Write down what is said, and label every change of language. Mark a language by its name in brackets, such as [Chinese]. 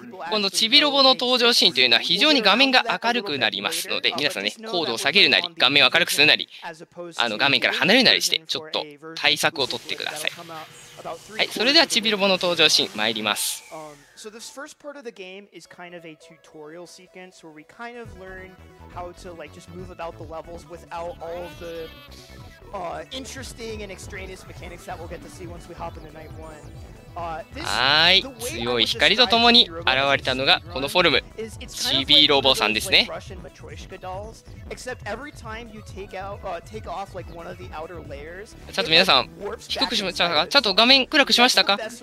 [Japanese] このチビロボの登場シーンというのは非常に画面が明るくなりますので、皆さんね、高度を下げるなり、画面を明るくするなり、画面から離れるなりして、ちょっと対策を取ってください。はい、それではチビロボの登場シーン参ります。 [English] So this first part of the game is kind of a tutorial sequence where we kind of learn how to like just move about the levels without all of the interesting and extraneous mechanics that we'll get to see once we hop into night one. [Japanese] はい、強い光とともに現れたのがこのフォルム、チビロボさんですね。ちょっと皆さん、低くしましたか？ちょっと画面暗くしましたか？